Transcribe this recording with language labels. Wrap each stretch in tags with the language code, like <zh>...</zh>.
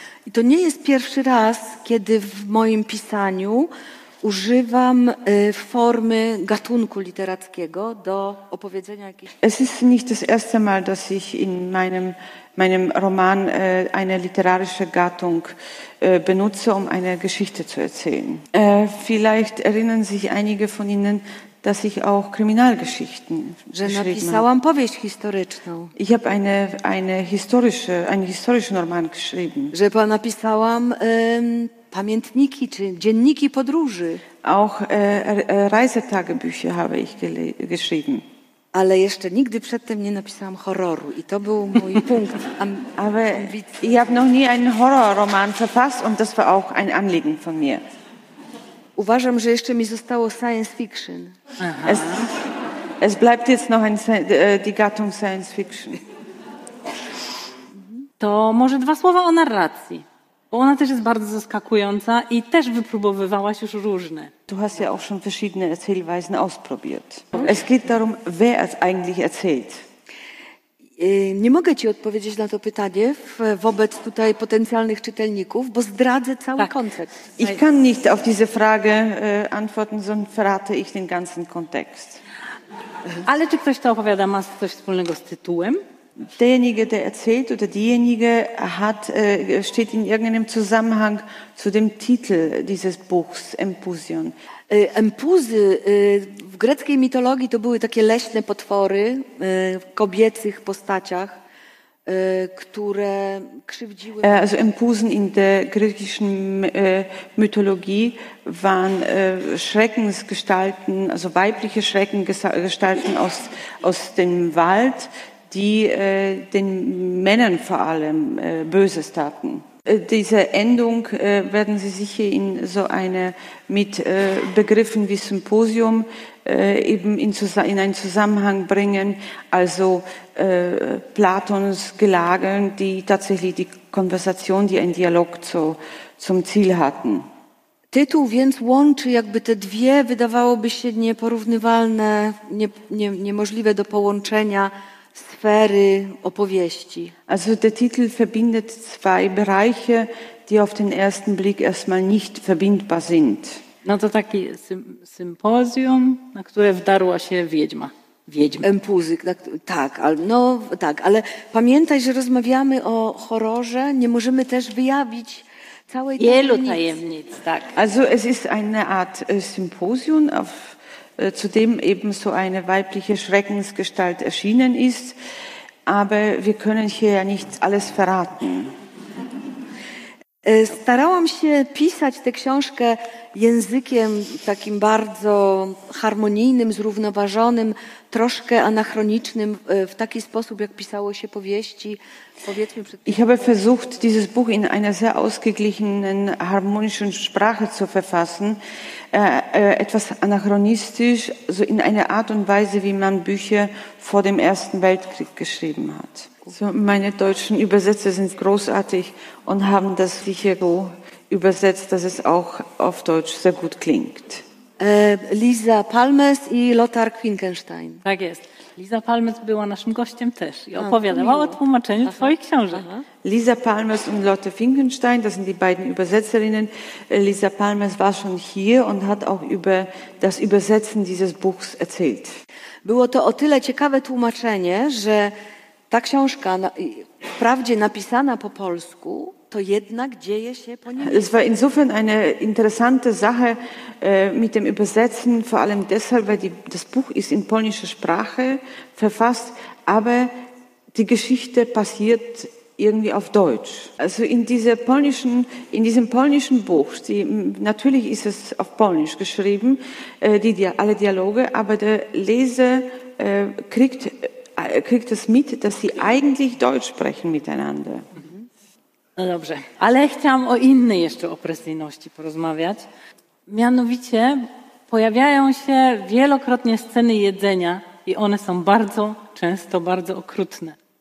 <pl>I to nie jest pierwszy raz, kiedy w moim pisaniu używam formy gatunku literackiego do opowiedzenia jakichś.</pl> <de>Es ist nicht das erste Mal, dass ich in meinem Roman eine literarische Gattung benutze, um eine Geschichte zu erzählen. Vielleicht erinnern sich einige von Ihnen, dass ich auch Kriminalgeschichten geschrieben habe. Ich habe einen historischen Roman geschrieben.</de> <pl>Że napisałam pamiętniki czy dzienniki podróży.</pl> <de>Auch Reisetagebücher habe ich geschrieben.</de> <pl>Ale jeszcze nigdy przedtem nie napisałam horroru i to był mój punkt.</pl> <de>Aber ich habe noch nie einen Horrorroman verfasst und das war auch ein Anliegen von mir.</de> <pl>Uważam, że jeszcze mi zostało science fiction.</pl> <de>Es bleibt jetzt noch die Gattung science fiction.</de> <pl>To może dwa słowa o narracji. Bo ona też jest bardzo zaskakująca i też wypróbowywałaś już różne.</pl> <de>Du hast ja auch schon verschiedene Erzählweisen ausprobiert. Es geht darum, wer es eigentlich erzählt.</de> <pl>Nie mogę ci odpowiedzieć na to pytanie wobec tutaj potencjalnych czytelników, bo zdradzę cały kontekst.</pl> <de>Ich kann nicht auf diese Frage antworten, sondern verrate ich den ganzen Kontext.</de> <pl>Ale czy ktoś to opowiada ma coś wspólnego z tytułem?</pl> <de>Derjenige, der erzählt oder diejenige hat, steht in irgendeinem Zusammenhang zu dem Titel dieses Buchs, Empusion.</de> <pl>Empuzy w greckiej mitologii to były takie leśne potwory w kobiecych postaciach, które krzywdziły.</pl> <de>Also Empusen in der griechischen Mythologie waren Schreckensgestalten, also weibliche Schreckensgestalten aus dem Wald, die den Männern vor allem Böses taten. Diese Endung werden Sie sicher in so eine mit Begriffen wie Symposium eben in einen Zusammenhang bringen, also Platons Gelagen, die tatsächlich die Konversation, die einen Dialog zum Ziel hatten.</de> <pl>Tytuł więc łączy jakby te dwie, wydawałoby się nieporównywalne, niemożliwe do połączenia sfery opowieści.</pl> <de>Also der Titel verbindet zwei Bereiche, die auf den ersten Blick erstmal nicht verbindbar sind.</de> <pl>No to taki symposium, na które wdarła się wiedźma. Wiedźma. Empuzyk, tak, no tak, ale pamiętaj, że rozmawiamy o horrorze, nie możemy też wyjawić całej wielu tajemnic, tak.</pl> <de>Also es ist eine Art Symposium auf zudem eben so eine weibliche Schreckensgestalt erschienen ist. Aber wir können hier ja nicht alles verraten.</de> <pl>Starałam się pisać tę książkę językiem takim bardzo harmonijnym, zrównoważonym, troszkę anachronicznym, w taki sposób, jak pisało się powieści.</pl> <de>Ich habe versucht, dieses Buch in einer sehr ausgeglichenen, harmonischen Sprache zu verfassen, etwas anachronistisch, so in einer Art und Weise, wie man Bücher vor dem Ersten Weltkrieg geschrieben hat. So, meine deutschen Übersetzer sind großartig und haben das sicher so übersetzt, dass es auch auf Deutsch sehr gut klingt.</de> <pl>Lisa Palmes i Lothar Finkenstein. Tak jest. Lisa Palmes była naszym gościem też i opowiadała o tłumaczeniu swoich książek.</pl> <de>Lisa Palmes und Lothar Finkenstein, das sind die beiden Übersetzerinnen. Lisa Palmes war schon hier und hat auch über das Übersetzen dieses Buchs erzählt.</de> <pl>Było to o tyle ciekawe tłumaczenie, że ta książka, wprawdzie napisana po polsku, to jednak dzieje się po niemiecku.</pl> <de>Es war insofern eine interessante Sache mit dem Übersetzen, vor allem deshalb, weil das Buch ist in polnischer Sprache verfasst, aber die Geschichte passiert irgendwie auf Deutsch. Also in diesem polnischen Buch, natürlich ist es auf Polnisch geschrieben, alle Dialoge, aber der Leser kriegt es mit, dass sie eigentlich Deutsch sprechen miteinander.</de> <pl>No dobrze, ale chciałam o innej jeszcze opresyjności porozmawiać. Mianowicie pojawiają się wielokrotnie sceny jedzenia i one są bardzo często bardzo okrutne.</pl>